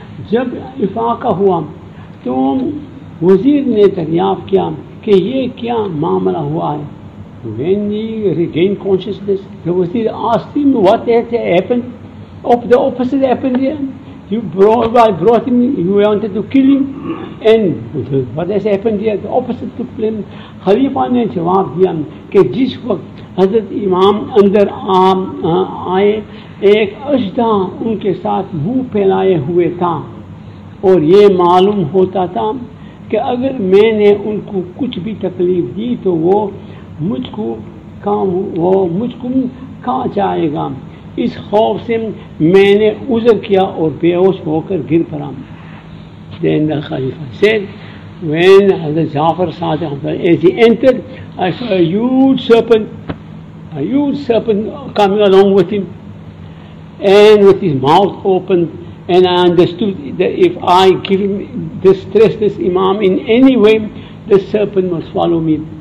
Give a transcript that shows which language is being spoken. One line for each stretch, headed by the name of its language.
Urdu: Jab ifaqa hua to وزیر نے دریافت کیا کہ یہ کیا معاملہ ہوا ہے.
English: When he regained consciousness, the وزیر asked him what had happened. Of the opposite happened here. You brought him, you wanted to kill him. And what has happened here? The opposite took place.
Urdu: Khalifa نے جواب دیا کہ جس وقت حضرت امام اندر آئے ایک اژدھا ان کے ساتھ منہ پھیلائے ہوئے تھا اور یہ معلوم ہوتا تھا کہ اگر میں نے ان کو کچھ بھی تکلیف دی تو وہ مجھ کو کھا جائے گا. اس خوف سے میں نے عذر کیا اور بے ہوش ہو کر گر پڑا.
English: Then the Khalifa said, when Hazrat Jafar Sadiq as he entered, I saw a huge serpent coming along with him and with his mouth open. And I understood that if I give him distress, this Imam, in any way, the serpent will swallow me.